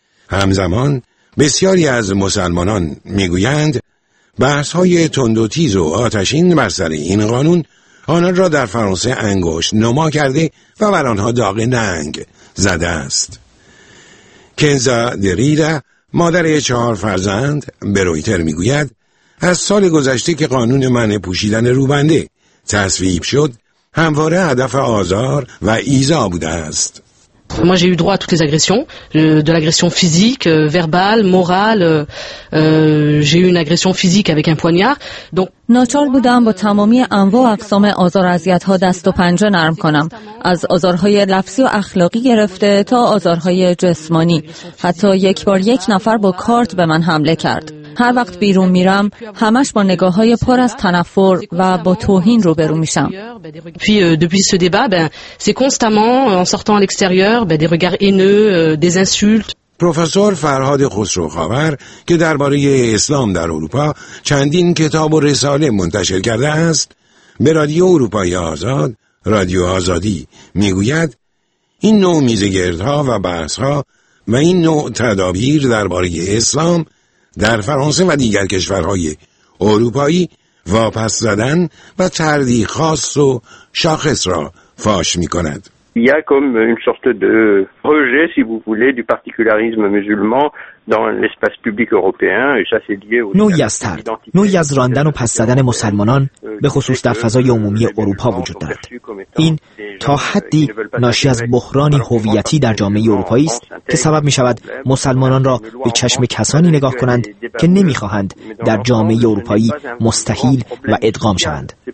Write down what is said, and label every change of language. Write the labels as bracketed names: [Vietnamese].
[Persian] همزمان بسیاری از مسلمانان میگویند بحث‌های تند و تیز و آتشین بر سر این قانون آنان را در فرانسه انگشت نما کرده و بر آنها داغ ننگ زده است. کنزا دریرا، مادر 4 فرزند، به رویتر میگوید از سال گذشته که قانون منع پوشیدن روبنده تصویب شد همواره هدف آزار و ایذا بوده است. [French] Moi j'ai eu droit à toutes les agressions, de l'agression physique, verbale, morale, j'ai eu une agression physique avec un poignard. Donc [Persian] ناچار بودم با تمامی انواع و اقسام آزار و اذیت‌ها دست و پنجه نرم کنم، از آزارهای لفظی و اخلاقی گرفته تا آزارهای جسمانی. حتی یک بار یک نفر با کارت به من حمله کرد. هر وقت بیرون میرم همش با نگاه‌های پر از تنفر و با توهین روبرو میشم. Puis depuis ce débat ben c'est constamment en sortant à l'extérieur ben des regards haineux, des insultes. پروفسور فرهاد خسروخاور که درباره اسلام در اروپا چندین کتاب و رساله منتشر کرده است به رادیو اروپای آزاد، رادیو آزادی، میگوید این نوع میزگردها و بحثها و این نوع تدابیر درباره اسلام در فرانسه و دیگر کشورهای اروپایی واپس زدن و طردی خاص و شاخص را فاش میکند. [French] Il y a comme une sorte de rejet, si vous voulez, du particularisme musulman dans l'espace public européen et ça c'est lié au [Persian] نوعی از طرد، نوعی از راندن و پس زدن مسلمانان به خصوص در فضای عمومی اروپا وجود دارد. این تا حدی ناشی از بحرانی هویتی در جامعه اروپایی است که سبب می‌شود مسلمانان را به چشم کسانی نگاه کنند که نمی‌خواهند در جامعه اروپایی مستحیل و ادغام شوند.